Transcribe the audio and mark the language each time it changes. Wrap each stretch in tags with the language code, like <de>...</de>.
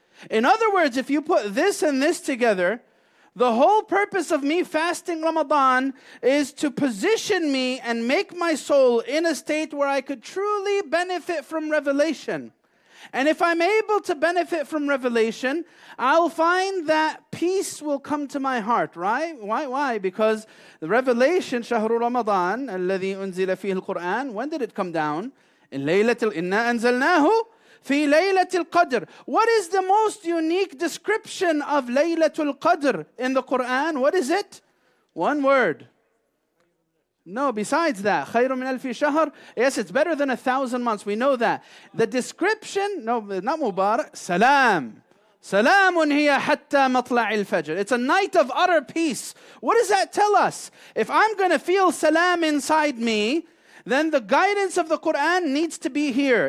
<en>In other words, if you put this and this together, the whole purpose of me fasting Ramadan is to position me and make my soul in a state where I could truly benefit from revelation. And if I'm able to benefit from revelation, I'll find that peace will come to my heart, right? Why? Because the revelation,</en> <ar>شهر رمضان الذي أنزل فيه القرآن,</ar> <en>when did it come down?</en> <ar>In Laylatul Inna أنزلناه في ليلة القدر.</ar> <en>What is the most unique description of Laylatul Qadr in the Quran? What is it? One word. No, besides that,</en> <ar>خير من ألف شهر.</ar> <en>Yes, it's better than 1,000 months. We know that. The description, no, not Mubarak, Salam.</en> <ar>سلام هي حتى مطلع الفجر.</ar> <en>It's a night of utter peace. What does that tell us? If I'm going to feel salam inside me, then the guidance of the Qur'an needs to be here.</en>